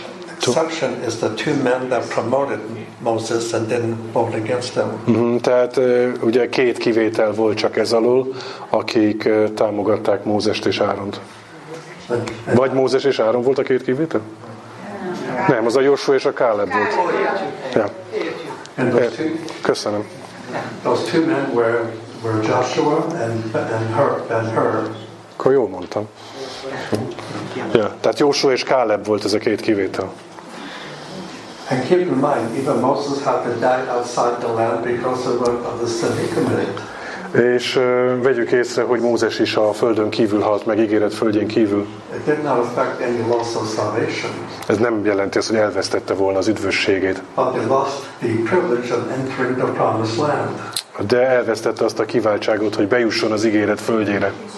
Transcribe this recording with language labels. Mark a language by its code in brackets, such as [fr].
[en] Exception is the two men that promoted Moses and then voted against them. [hu] Tehát ugye két kivétel volt csak ez alól, akik támogatták Mózest és Áront. Vagy Mózes és Áron volt a két kivétel? Nem, az a Joshua és a Caleb volt. Ja. Köszönöm. [en] Those two men were Joshua and Ben-Hur. [hu] Akkor jól mondtam. Ja, tehát Joshua és Caleb volt ez a két kivétel. [en] And keep in mind, even Moses had to die outside the land because of the sin he committed. [hu] És vegyük észre, hogy Mózes is a földön kívül halt meg, ígéret földjén kívül. [en] It did not affect any loss of salvation. [hu] Ez nem jelenti azt, hogy elvesztette volna az üdvösségét. [en] But he lost the privilege of entering the promised land. [hu] De elvesztette azt a kiváltságot, hogy bejusson az ígéret földjére.